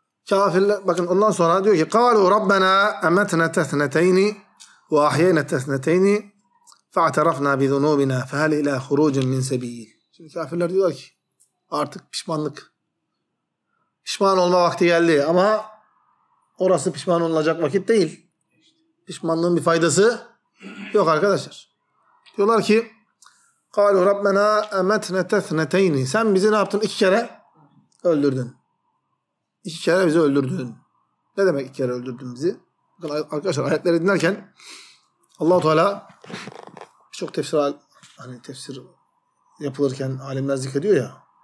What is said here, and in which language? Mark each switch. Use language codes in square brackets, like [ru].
[tr] Kafirler, bakın ondan sonra diyor ki [ar] قَالُوا رَبَّنَا اَمَتْنَا تَثْنَتَيْنِ وَاَحْيَيْنَا تَثْنَتَيْنِ فَاَعْتَرَفْنَا بِذُنُوبِنَا فَهَلْ اِلَى خُرُوجٍ مِنْ سَب۪يلٍ. [tr] Şimdi kafirler diyorlar ki artık pişmanlık, pişman olma vakti geldi, ama orası pişman olunacak vakit değil. Pişmanlığın bir faydası yok arkadaşlar. Diyorlar ki [ar] قَالُوا رَبَّنَا اَمَتْنَا تَثْنَتَيْنِ. [tr] Sen bizi ne yaptın? İki kere öldürdün. İki kere bizi öldürdün. Ne demek iki kere öldürdün bizi? Bakın arkadaşlar, ayetleri dinlerken Allah-u Teala birçok tefsir, hani tefsir yapılırken alimler zikrediyor ya.